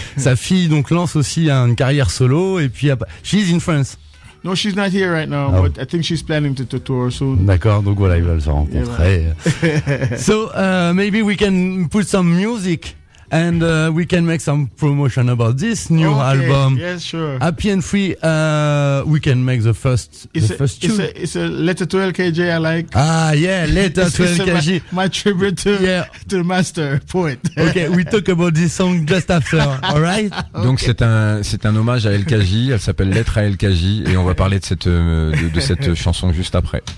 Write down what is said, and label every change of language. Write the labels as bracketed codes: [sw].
[fr] Sa fille donc lance aussi une carrière solo et puis [en] she's in France. No, she's not here right now, but I think she's planning to tour soon. [fr] D'accord, donc voilà, ils veulent se rencontrer. [en] So, maybe we can put some music and we can make some promotion about this new album. Yes, sure. Happy and Free, we can make the first tune. It's a Letter to LKJ I like. Ah, yeah, Letter to LKJ. My tribute to Master Poet. Okay, we talk about this song just after, all right? Okay. [fr] Donc c'est un hommage à LKJ, elle s'appelle Lettre à LKJ, et on va parler de cette chanson juste après.